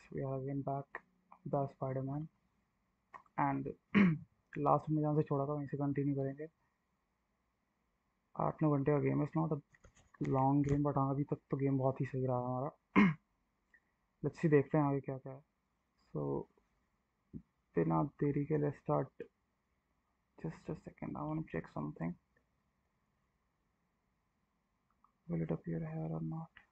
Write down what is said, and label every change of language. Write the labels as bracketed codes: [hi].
[en] We are again back, the Spiderman. And last time [hi] जहाँ से छोड़ा था वहीं से continue करेंगे. 8-9 घंटे का [en] game is not a long game, but [hi] हाँ अभी तक तो game बहुत ही सही रहा हमारा. [en] Let's see, [hi] देखते हैं आगे क्या क्या है. So बिना देरी के [en] let's start. Just a second, I want to check something. Will it appear here or not?